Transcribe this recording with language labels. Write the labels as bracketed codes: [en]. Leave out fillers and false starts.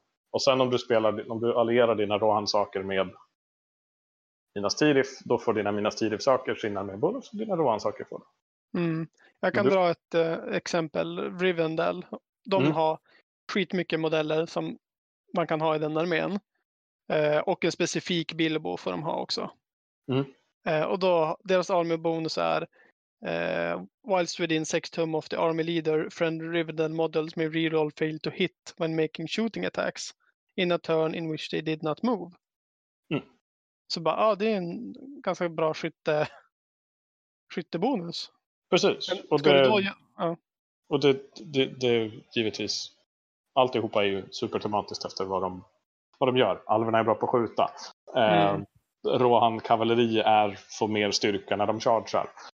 [sv] Och sen om du allierar dina Rohan-saker med Minas Tirith, då får dina Minas Tirith-saker sina med bonus och dina Rohan-saker får det. Mm. Jag kan dra ett exempel. Rivendell. De har skitmycket modeller som man kan ha i den armén. Och en specifik Bilbo får de ha också. Mm. Och då, deras armébonus är [en] whilst within 6 [sv] tum [en] of the army leader, friend Rivendell models may reroll fail to hit when making shooting attacks in a turn in which they did not move. [sv] Mm. Så bara, ja, det är en ganska bra skyttebonus. Precis. Och det givetvis, alltihopa är ju supertematiskt efter vad de gör. Alverna är bra på att skjuta. Rohan kavalleri är få mer styrka när de chargear.